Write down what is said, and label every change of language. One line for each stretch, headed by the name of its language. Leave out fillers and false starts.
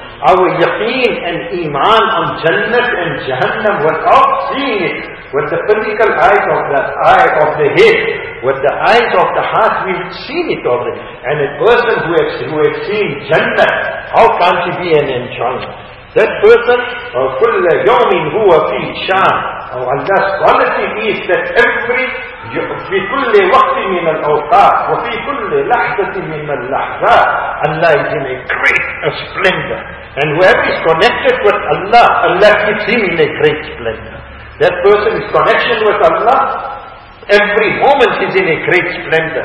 English: Our yaqeen and Iman on Jannah and Jahannam without seeing it with the physical eyes of the eye of the head, with the eyes of the heart, we've seen it already. And a person who has seen Jannah, how can't he be an enjoyer? That person,
Arabic: كل يوم هو في شان.
English: Allah's quality is that every,
Arabic: في كل وقت من الأوقات وفي كل لحظة من اللحظات,
English: Allah is in a great splendor. And whoever is connected with Allah, Allah keeps him in a great splendor. That person is connection with Allah, every moment is in a great splendor.